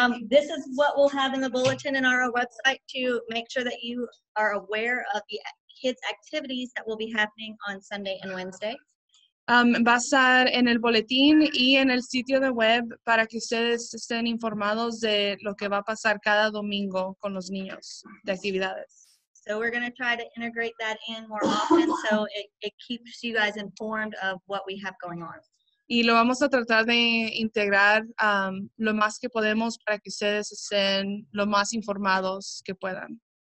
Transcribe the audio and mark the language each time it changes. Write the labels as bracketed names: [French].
[English] This is what we'll have in the bulletin in our website to make sure that you are aware of the kids' activities that will be happening on Sunday and Wednesday. [Spanish] Va a estar en el boletín y en el sitio de web para que ustedes estén informados de lo que va a pasar cada domingo con los niños de actividades. [English] So we're going to try to integrate that in more often so it keeps you guys informed of what we have going on. [Spanish] Y lo vamos a tratar de integrar lo más que podemos para que ustedes estén lo más informados que puedan.